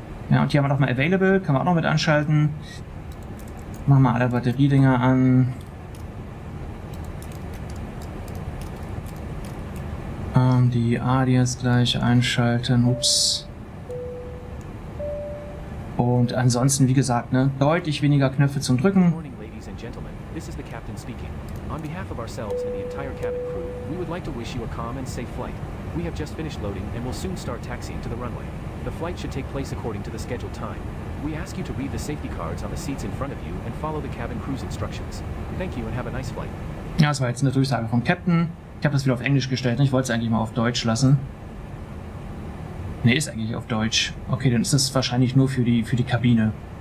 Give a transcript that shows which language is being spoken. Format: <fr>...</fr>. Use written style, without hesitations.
<de>Ja, und hier haben wir nochmal Available. Können wir auch noch mit anschalten. Machen wir alle Batteriedinger an. Die ADS gleich einschalten, ups. Und ansonsten, wie gesagt, ne, deutlich weniger Knöpfe zum Drücken.</de> <en>Good morning, ladies and gentlemen. This is the captain speaking. On behalf of ourselves and the entire cabin crew, we would like to wish you a calm and safe flight. We have just finished loading and will soon start taxiing to the runway. The flight should take place according to the scheduled time. We ask you to read the safety cards on the seats in front of you and follow the cabin crew's instructions. Thank you and have a nice flight.</en> <de>Ja, das war jetzt eine Durchsage vom Captain. Ich habe das wieder auf Englisch gestellt, ich wollte es eigentlich mal auf Deutsch lassen. Ne, ist eigentlich auf Deutsch. Okay, dann ist das wahrscheinlich nur für die Kabine.</de>